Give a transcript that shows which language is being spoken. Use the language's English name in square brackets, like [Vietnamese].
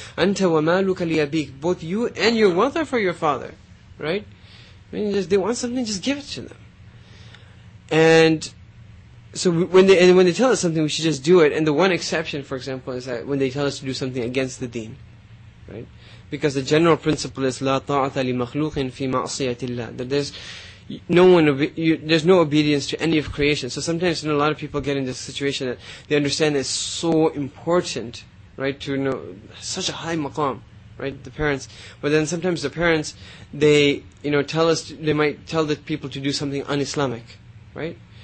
[Arabic] أَنْتَ وَمَا لُكَ لِيَبِيكَ. [English] Both you and your wealth are for your father. Right? They want something, just give it to them. And so when they tell us something, we should just do it. And the one exception, for example, is that when they tell us to do something against the deen. Right? [Arabic] Because the general principle is, لَا طَاعَةَ لِمَخْلُوقٍ فِي مَعْصِيَةِ اللَّهِ. [English] That there's no obedience to any of creation. So sometimes a lot of people get in this situation that they understand it's so important, right, to know such a high maqam, right, the parents. But then sometimes the parents, they might tell the people to do something un-Islamic, right?